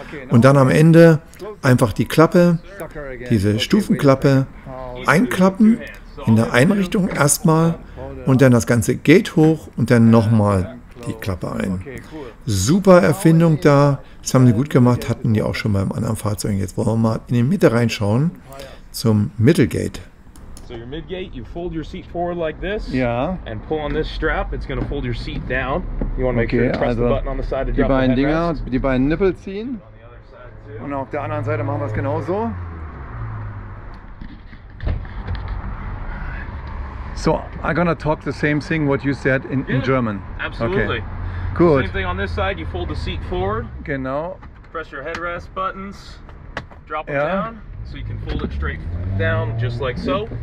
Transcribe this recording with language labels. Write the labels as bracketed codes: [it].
[de] Und dann am Ende einfach die Klappe, diese Stufenklappe, einklappen in der Einrichtung erstmal und dann das ganze Gate hoch und dann nochmal die Klappe ein. Super Erfindung da. Das haben sie gut gemacht, hatten die auch schon beim anderen Fahrzeug. Jetzt wollen wir mal in die Mitte reinschauen zum Middle Gate. [en] So your mid gate, you fold your seat forward like this. Yeah. And pull on this strap, it's gonna fold your seat down. You wanna make okay, sure to press the button on the side to drop the headrest. [de] Die beiden Dinger, die beiden Nippel ziehen. Und auf der anderen Seite machen wir es genauso. [en] So, I'm gonna talk the same thing what you said in German. Absolutely. Okay. Cool. Same thing on this side, you fold the seat forward. [de] Genau. [en] Press your headrest buttons, drop them down. So you can fold it straight down, just like so.